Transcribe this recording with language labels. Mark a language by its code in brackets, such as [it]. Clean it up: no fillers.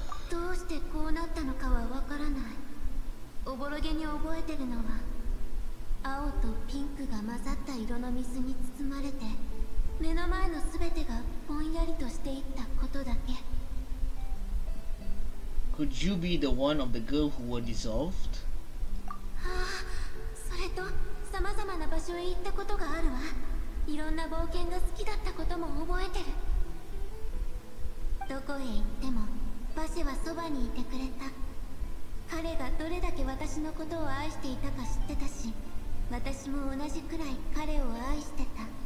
[ja] どうしてこうなったのかはわからない。おぼろげに覚えてるのは、青とピンクが混ざった色の水に包まれて、目の前のすべてがぼんやりとしていったことだけ。 [en] Could you be the one of the girl who were dissolved? [ja] ああ、それと、さまざまな場所へ行ったことがあるわ。いろんな冒険が好きだったことも覚えてる。どこへ行っても、バシェはそばにいてくれた。彼がどれだけ私のことを愛していたか知ってたし、私も同じくらい彼を愛してた。